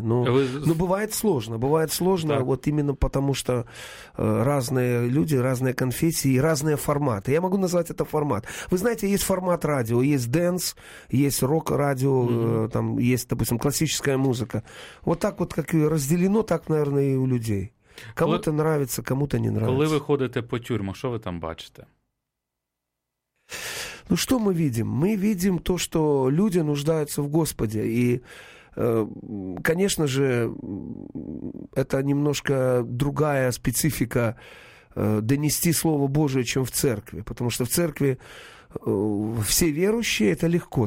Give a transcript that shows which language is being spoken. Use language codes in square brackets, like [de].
[ru] Но бывает сложно. Бывает сложно, да. Вот именно потому что разные люди, разные конфессии и разные форматы. Я могу назвать это формат. Вы знаете, есть формат радио, есть дэнс, есть рок-радио, там есть, допустим, классическая музыка. Вот так вот, как и разделено, так, наверное, и у людей. Кому-то нравится, кому-то не нравится. [uk] Коли ви ходите по тюрьму, що ви там бачите? [ru] Ну, что мы видим? Мы видим то, что люди нуждаются в Господе. И, конечно же, это немножко другая специфика донести Слово Божие, чем в церкви. Потому что в церкви все верующие, это легко.